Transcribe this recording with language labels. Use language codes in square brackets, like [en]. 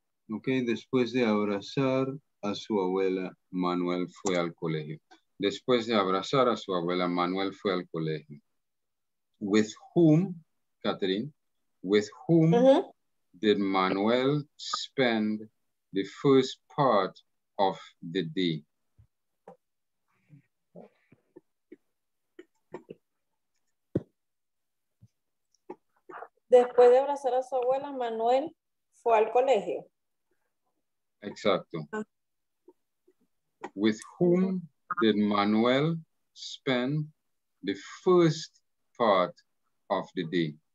[es] Okay, después de abrazar a su abuela, Manuel fue al colegio. Después de abrazar a su abuela, Manuel fue al colegio. [en] With whom, Catherine, with whom did Manuel spend the first part of the day? [es] Después de abrazar a su abuela, Manuel fue al colegio. Exacto. Uh-huh. [en] With whom did Manuel spend the first part of the day?